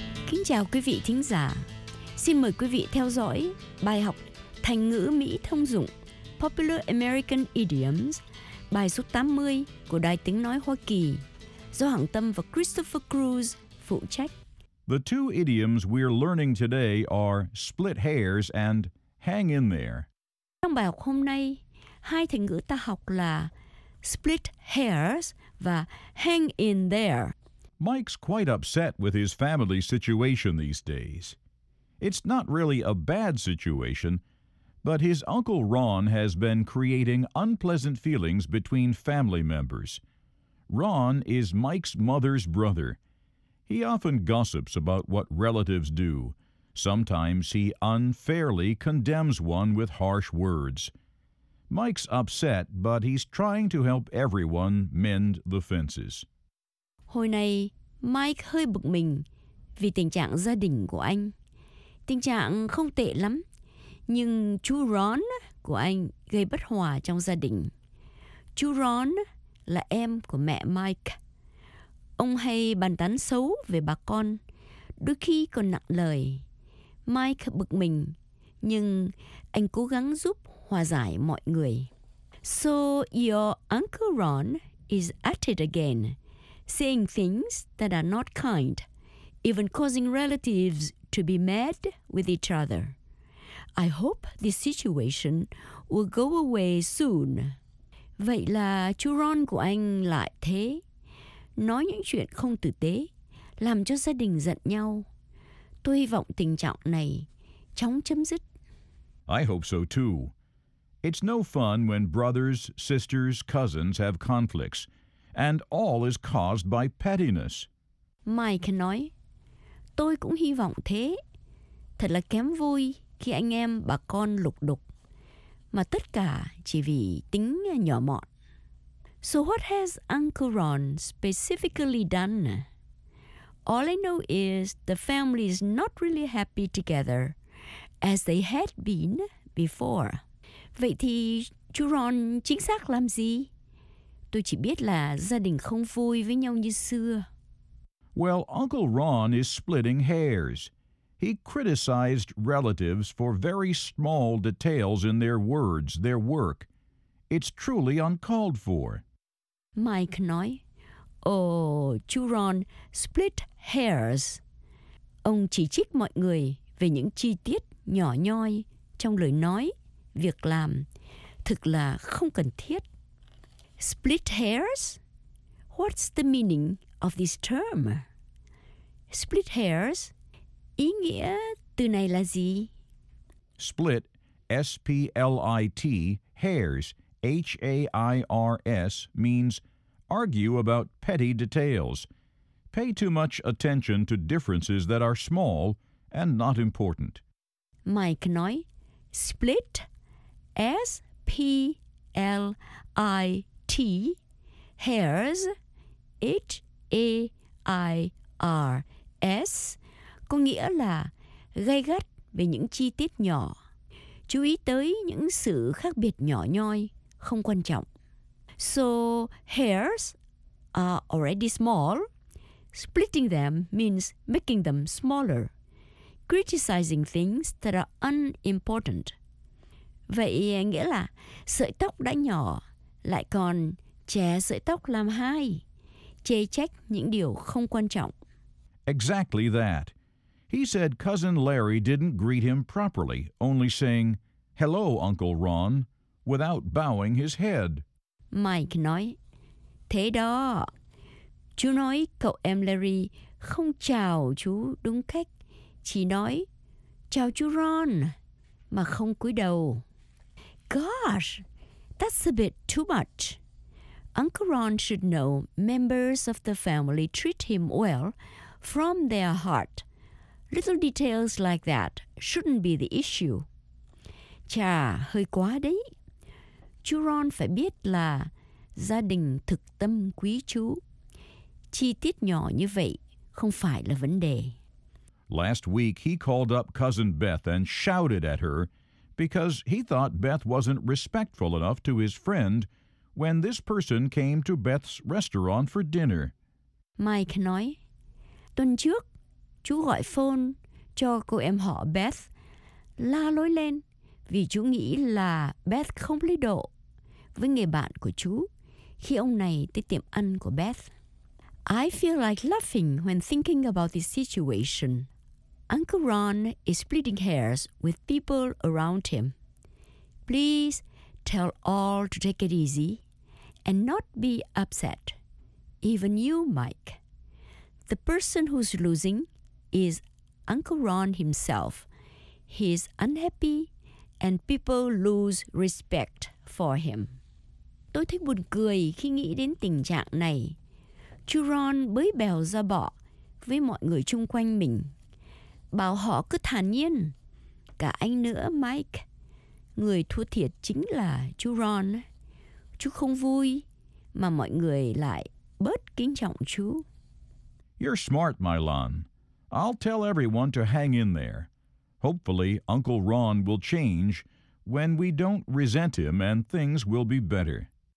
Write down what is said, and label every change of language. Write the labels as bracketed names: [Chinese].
[Vietnamese] Kính chào quý vị thính giả. Xin mời quý vị theo dõi bài học Thành ngữ Mỹ thông dụng [English] Popular American Idioms, [Vietnamese] bài số 80 của Đài Tiếng Nói Hoa Kỳ, do Hằng Tâm và Christopher Cruz phụ trách. [English] The two idioms we're learning today are split hairs and hang in there. [Vietnamese] Trong bài học hôm nay, hai thành ngữ ta học là [English] split hairs [Vietnamese] và [English] hang in there. Mike's quite upset with his family situation these days. It's not really a bad situation, but his Uncle Ron has been creating unpleasant feelings between family members. Ron is Mike's mother's brother. He often gossips about what relatives do. Sometimes he unfairly condemns one with harsh words. Mike's upset, but he's trying to help everyone mend the fences. [Vietnamese] Hồi này, Mike hơi bực mình vì tình trạng gia đình của anh. Tình trạng không tệ lắm, nhưng chú Ron của anh gây bất hòa trong gia đình. Chú Ron là em của mẹ Mike. Ông hay bàn tán xấu về bà con, đôi khi còn nặng lời. Mike bực mình, nhưng anh cố gắng giúp hòa giải mọi người. [English] So your Uncle Ron is at it again, saying things that are not kind, even causing relatives to be mad with each other. I hope this situation will go away soon. [Vietnamese] Vậy là chú Ron của anh lại thế. Nói những chuyện không tử tế, làm cho gia đình giận nhau. Tôi hy vọng tình trạng này chóng chấm dứt. [English] I hope so too. It's no fun when brothers, sisters, cousins have conflicts, and all is caused by pettiness. [Vietnamese] Mike nói, tôi cũng hy vọng thế. Thật là kém vui khi anh em bà con lục đục, mà tất cả chỉ vì tính nhỏ mọn. [English] So what has Uncle Ron specifically done? All I know is the family is not really happy together as they had been before. [Vietnamese] Vậy thì chú Ron chính xác làm gì? Tôi chỉ biết là gia đình không vui với nhau như xưa. [English] Well, Uncle Ron is splitting hairs. He criticized relatives for very small details in their words, their work. It's truly uncalled for. [Vietnamese] Mike nói, chú Ron [English] split hairs. [Vietnamese] Ông chỉ trích mọi người về những chi tiết nhỏ nhoi trong lời nói, việc làm. Thực là không cần thiết. [English] Split hairs? What's the meaning of this term? Split hairs? [Vietnamese] Ý nghĩa từ này là gì? [English] Split, S-P-L-I-T, hairs, H-A-I-R-S, means argue about petty details. Pay too much attention to differences that are small and not important. [Vietnamese] Mike nói, [English] split, S-P-L-I-T, hairs, H-A-I-R-S, [Vietnamese] có nghĩa là gay gắt về những chi tiết nhỏ. Chú ý tới những sự khác biệt nhỏ nhoi, không quan trọng. [English] So, hairs are already small. Splitting them means making them smaller. Criticizing things that are unimportant. [Vietnamese] Vậy nghĩa là sợi tóc đã nhỏ, lại còn chẻ sợi tóc làm hai. Chê trách những điều không quan trọng. [English] Exactly that. He said cousin Larry didn't greet him properly, only saying, "Hello, Uncle Ron," without bowing his head. [Vietnamese] Mike nói, thế đó, chú nói cậu em Larry không chào chú đúng cách, chỉ nói chào chú Ron mà không cúi đầu. [English] Gosh, that's a bit too much. Uncle Ron should know members of the family treat him well from their heart. Little details like that shouldn't be the issue. [Vietnamese] Chà, hơi quá đấy. Chú Ron phải biết là gia đình thực tâm quý chú. Chi tiết nhỏ như vậy không phải là vấn đề. [English] Last week, he called up cousin Beth and shouted at her because he thought Beth wasn't respectful enough to his friend when this person came to Beth's restaurant for dinner. [Vietnamese] Mike nói, tuần trước, chú gọi phone cho cô em họ Beth, la lối lên vì chú nghĩ là Beth không lý độ với người bạn của chú khi ông này tới tiệm ăn của Beth. [English] I feel like laughing when thinking about this situation. Uncle Ron is splitting hairs with people around him. Please tell all to take it easy and not be upset. Even you, Mike. The person who's losing is Uncle Ron himself. He's unhappy and people lose respect for him. [Vietnamese] Tôi thấy buồn cười khi nghĩ đến tình trạng này. Chú Ron bới bèo ra bọ với mọi người chung quanh mình, bảo họ cứ thản nhiên. Cả anh nữa, Mike. Người thua thiệt chính là chú Ron. Chú không vui mà mọi người lại bớt kính trọng chú. [English] You're smart, Mylon. I'll tell everyone to hang in there. Hopefully, Uncle Ron will change when we don't resent him and things will be better.